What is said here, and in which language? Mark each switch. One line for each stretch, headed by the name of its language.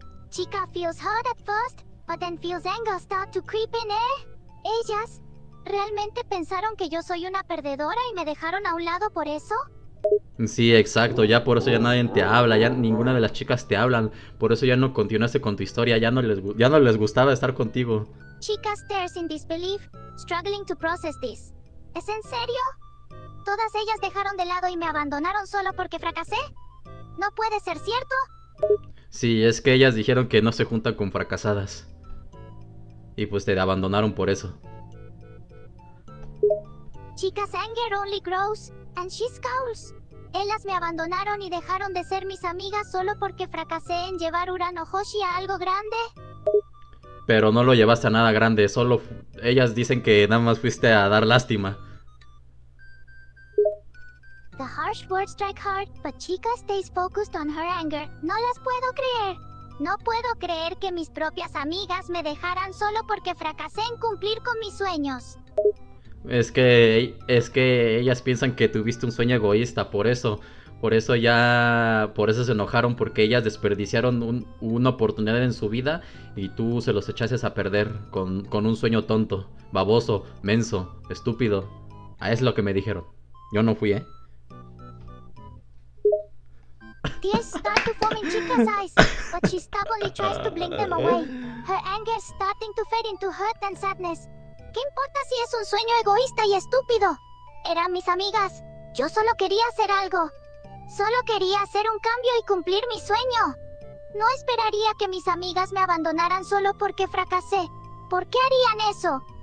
English: Chica feels hot at first, but then feels anger start to creep in, ¿eh?
Spanish: ¿Ellas realmente pensaron que yo soy una perdedora y me dejaron a un lado por eso? Sí, exacto, ya por eso ya nadie te habla, ya ninguna de las chicas te hablan. Por eso ya no continuaste con tu historia, ya no les gustaba estar contigo.
English: Chica stares in disbelief, struggling to process this.
Spanish: ¿Es en serio? ¿Todas ellas dejaron de lado y me abandonaron solo porque fracasé? ¿No puede ser cierto? Sí, es que ellas dijeron que no se juntan con fracasadas. Y pues te abandonaron por eso.
English: Chica's anger only grows, and she scowls.
Spanish: Ellas me abandonaron y dejaron de ser mis amigas solo porque fracasé en llevar Uranohoshi a algo grande. Pero no lo llevaste a nada grande, solo ellas dicen que nada más fuiste a dar lástima.
English: The harsh words strike hard, but Chica stays focused on her anger.
Spanish: No las puedo creer. No puedo creer que mis propias amigas me dejaran solo porque fracasé en cumplir con mis sueños. Es que ellas piensan que tuviste un sueño egoísta, por eso se enojaron, porque ellas desperdiciaron una oportunidad en su vida y tú se los echaste a perder con un sueño tonto, baboso, menso, estúpido. Es lo que me dijeron. Yo no fui,
English: Tears start to form in Chica's eyes, but she stubbornly tries to blink them away. Her anger starting to fade into hurt and sadness.
Spanish: ¿Qué importa si es un sueño egoísta y estúpido? Eran mis amigas. Yo solo quería hacer algo. Solo quería hacer un cambio y cumplir mi sueño. No esperaría que mis amigas me abandonaran solo porque fracasé. ¿Por qué harían eso?